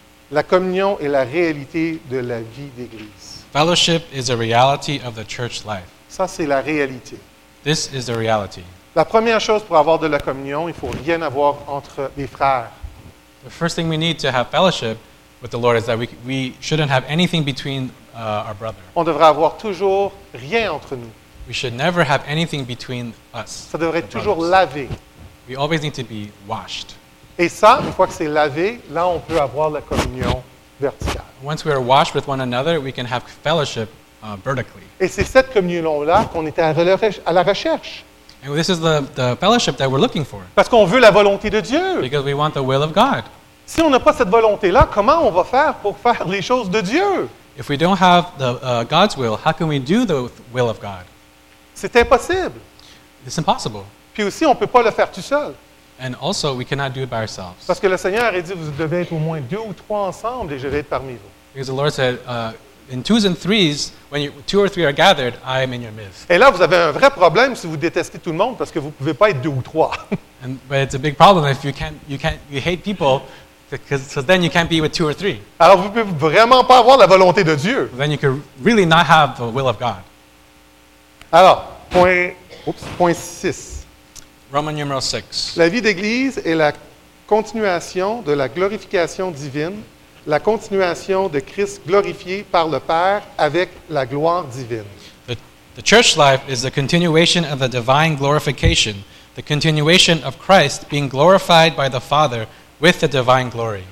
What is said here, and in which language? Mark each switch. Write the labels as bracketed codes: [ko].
[fr] La communion est la réalité de la vie d'église. [en] Fellowship is a reality of the church life. [fr] Ça, c'est la réalité. [en] This is the reality. [fr] La première chose pour avoir de la communion, il ne faut rien avoir entre les frères. [en] The first thing we need to have fellowship with the Lord is that we shouldn't have anything between our brother. [fr] On devrait avoir toujours rien entre nous. [en] We should never have anything between us. [fr] Ça devrait être toujours lavé. [en] We always need to be washed. [fr] Et ça, une fois que c'est lavé, là, on peut avoir la communion verticale. [en] Once we are washed with one another, we can have fellowship vertically. [fr] Et c'est cette communion-là qu'on est à la recherche. [en] And this is the fellowship that we're looking for. [fr] Parce qu'on veut la volonté de Dieu. [en] Because we want the will of God. [fr] Si on n'a pas cette volonté-là, comment on va faire pour faire les choses de Dieu? [en] If we don't have the God's will, how can we do the will of God? [fr] C'est impossible. [en] It's impossible. [fr] Puis aussi, on peut pas le faire tout seul. [en] And also, we cannot do it by ourselves. [fr] Parce que le Seigneur a dit, vous devez être au moins deux ou trois ensemble et je vais être parmi vous. [en] Because the Lord said, in twos and threes, when you, two or three are gathered, I am in your midst. [fr] Et là, vous avez un vrai problème si vous détestez tout le monde parce que vous ne pouvez pas être deux ou trois. [en] But it's a big problem if you hate people, because then you can't be with two or three. [fr] Alors, vous ne pouvez vraiment pas avoir la volonté de Dieu. [en] Then you can really not have the will of God. [fr] Alors, point six. [en] Roman numeral 6. [fr] La vie d'Église est la continuation de la glorification divine, la continuation de Christ glorifié par le Père avec la gloire divine. [en] The church life is the continuation of the divine glorification, the continuation of Christ being glorified by the Father with the divine glory.